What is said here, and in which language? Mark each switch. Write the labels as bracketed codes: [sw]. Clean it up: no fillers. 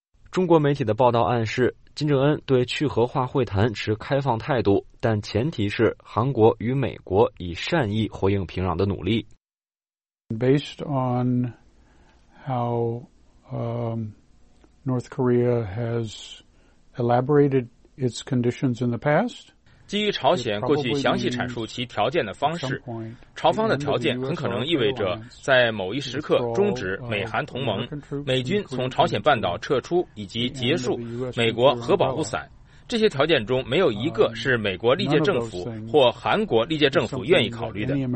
[zh] 中国媒体的报道暗示，金正恩对去核化会谈持开放态度，但前提是韩国与美国以善意回应平壤的努力。 [en] Based on how North Korea has elaborated its conditions in the past. [zh] 基于朝鲜过去详细阐述其条件的方式，朝方的条件很可能意味着在某一时刻终止美韩同盟，美军从朝鲜半岛撤出，以及结束美国核保护伞。这些条件中没有一个是美国历届政府或韩国历届政府愿意考虑的。